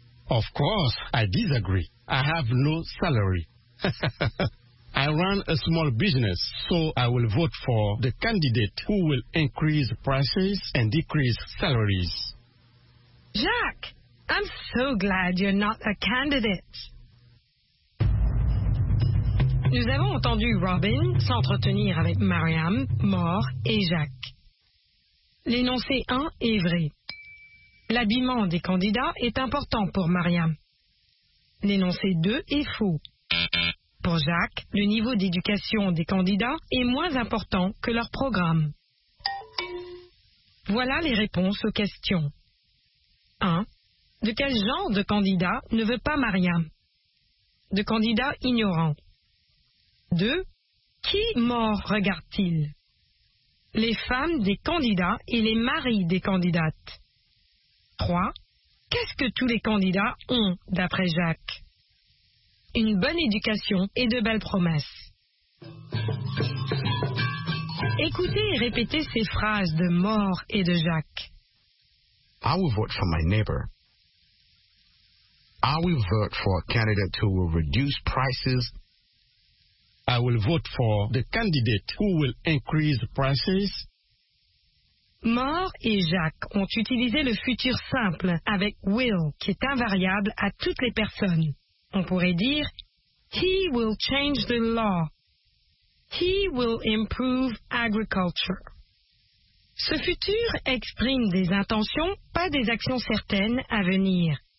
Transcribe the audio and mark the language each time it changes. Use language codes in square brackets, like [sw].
[en] Of course, I disagree. I have no salary. I run a small business, so I will vote for the candidate who will increase prices and decrease salaries. Jacques, I'm so glad you're not a candidate. [fr] Nous avons entendu Robin s'entretenir avec Mariam, Mort et Jacques. L'énoncé 1 est vrai. L'habillement des candidats est important pour Mariam. L'énoncé 2 est faux. Pour Jacques, le niveau d'éducation des candidats est moins important que leur programme. Voilà les réponses aux questions. 1. De quel genre de candidat ne veut pas Mariam? De candidat ignorant. 2. Qui mort regarde-t-il? Les femmes des candidats et les maris des candidates. 3. Qu'est-ce que tous les candidats ont, d'après Jacques? Une bonne éducation et de belles promesses. Écoutez et répétez ces phrases de Mort et de Jacques. [en] I will vote for my neighbor. I will vote for a candidate who will reduce prices. I will vote for the candidate who will increase prices. [fr] Mort et Jacques ont utilisé le futur simple avec will, qui est invariable à toutes les personnes. On pourrait dire, [en] he will change the law. He will improve agriculture. [fr] Ce futur exprime des intentions, pas des actions certaines à venir.